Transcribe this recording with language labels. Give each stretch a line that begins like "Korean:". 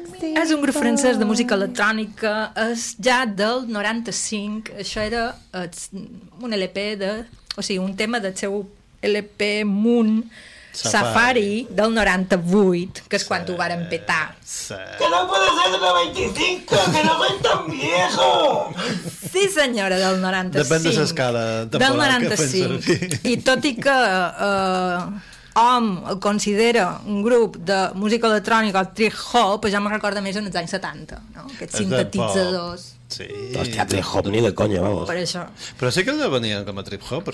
Catalan: És un grup francès de música electrònica, és ja del 95, això era un LP de... O sigui, un tema del seu LP Moon Safari del 98, que és quan ho varen petar.
Spanish: Que no puede ser del 95, que no ven tan viejo.
Catalan: Sí, senyora, del 95. Depèn de l'escala del 95. I tot i que hom considera un grup de música electrònica el trip hop, ja me'n recorda més en els anys 70, no? Aquests sintetitzadors. Sí. Hòstia, trip-hop ni de conya, vamos. Per això. Però sí que els venien com a trip-hop.